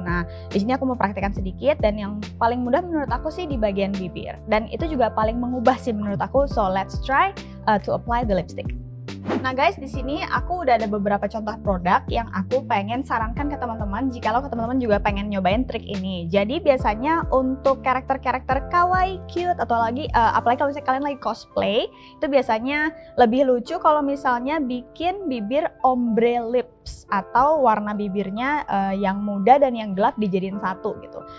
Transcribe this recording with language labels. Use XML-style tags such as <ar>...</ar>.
<id>Nah, di sini aku mau praktekkan sedikit dan yang paling mudah menurut aku sih di bagian bibir. Dan itu juga paling mengubah sih menurut aku.</id> <en>So let's try to apply the lipstick.</en> <id>Nah guys, di sini aku udah ada beberapa contoh produk yang aku pengen sarankan ke teman-teman jika lo ke teman-teman juga pengen nyobain trik ini. Jadi biasanya untuk karakter-karakter kawaii cute atau lagi apalagi kalau misalnya kalian lagi cosplay, itu biasanya lebih lucu kalau misalnya bikin bibir ombre lips atau warna bibirnya yang muda dan yang gelap dijadiin satu gitu.</id>